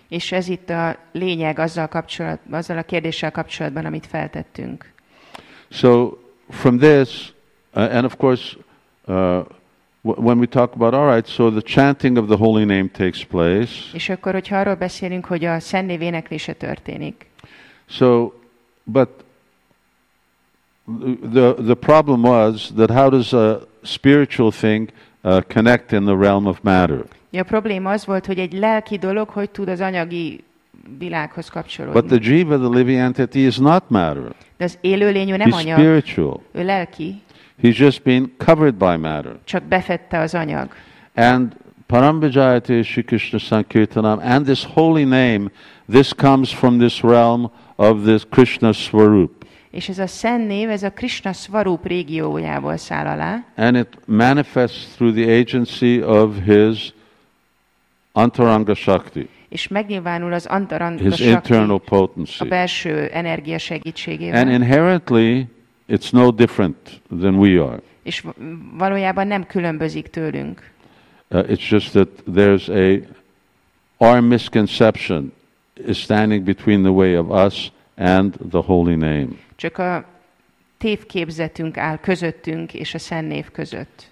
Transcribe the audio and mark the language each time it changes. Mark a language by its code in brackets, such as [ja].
[hu] És ez itt a lényeg azzal a kérdéssel kapcsolatban, amit feltettünk. [en] So from this, and of course, when we talk about, all right, so the chanting of the holy name takes place. [hu] És akkor, hogyha arról beszélünk, hogy a szentnév éneklése történik. [en] So, but the problem was that how does a spiritual thing connect in the realm of matter? [hu] Ja, a probléma az volt, hogy egy lelki dolog, hogy tud az anyagi világhoz kapcsolódni. [en] But the jiva, the living entity, is not matter. [hu] De az élő lény, ő nem anyag. [en] He's spiritual. [hu] Ő lelki. [en] He's just been covered by matter. [hu] Csak befette az anyag. [en] And Param Vijayate Shri Krishna Sankirtanam, and this holy name, this comes from this realm of this Krishna Swarup. [hu] És ez a szent név, ez a Krishna Swarup régiójából száll alá. [en] And it manifests through the agency of his antaranga shakti. [hu] És megnyilvánul az antaranga [en] his shakti internal potency. [hu] A belső energia segítségével. [en] And inherently it's no different than we are. [hu] És valójában nem különbözik tőlünk. [en] It's just that there's our misconception is standing between the way of us and the holy name. [hu] Csak a tévképzetünk áll közöttünk és a szent név között.